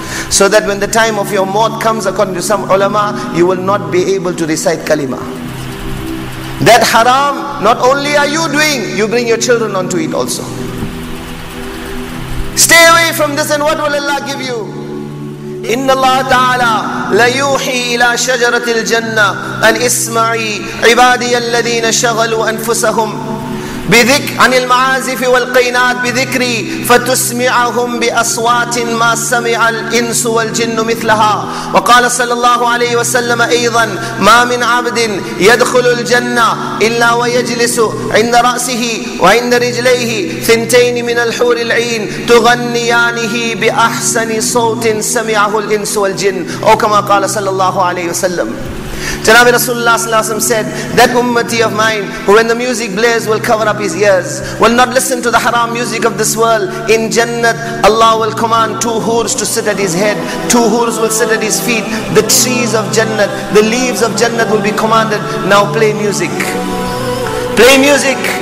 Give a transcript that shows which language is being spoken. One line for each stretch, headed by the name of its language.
English: So that when the time of your mouth comes, according to some ulama, you will not be able to recite kalima. That haram, not only are you doing, you bring your children onto it also. Stay away from this, and what will Allah give you?
Arabic: إن الله تعالى لا يوحي إلى شجرة الجنة أن اسمعي عبادي الذين شغلوا أنفسهم بذكر عن المعازف والقينات بذكري فتسمعهم بأصوات ما سمع الإنس والجن مثلها. وقال صلى الله عليه وسلم أيضا ما من عبد يدخل الجنة إلا ويجلس عند رأسه وعند رجليه ثنتين من الحور العين تغنيانه بأحسن صوت سمعه الإنس والجن. أو كما قال صلى الله عليه وسلم.
English: Janabi Rasulullah sallallahu alaihi wasallam said, that ummati of mine who when the music blares will cover up his ears, will not listen to the haram music of this world, in Jannat Allah will command two hoors to sit at his head, two hoors will sit at his feet, the trees of Jannat, the leaves of Jannat will be commanded, now play music. Play music.